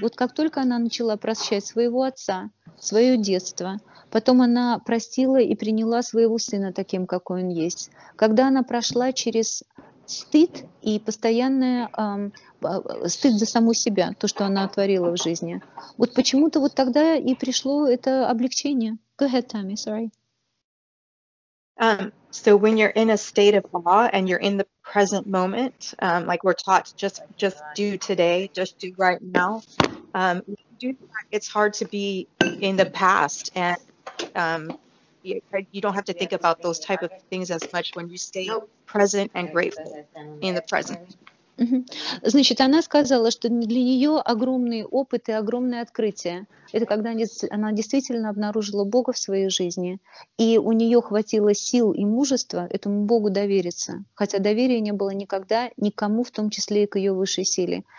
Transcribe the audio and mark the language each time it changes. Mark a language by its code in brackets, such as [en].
[ru] Вот как только она начала прощать своего отца, своё детство, потом она простила и приняла своего сына таким, какой он есть. Когда она прошла через стыд и постоянное стыд за саму себя, то, что она творила в жизни. Вот почему-то вот тогда и пришло это облегчение. [en] Go ahead, Tami, sorry. So when you're in a state of awe and you're in the present moment, like we're taught, just do today, just do right now. It's hard to be in the past, and you don't have to think about those type of things as much when you stay present and grateful in the present. [ru] Значит, она сказала, что для нее огромный опыт и огромное открытие. Это когда она действительно обнаружила Бога в своей жизни, и у нее хватило сил и мужества этому Богу довериться, хотя доверия не было никогда никому, в том числе и к ее высшей силе.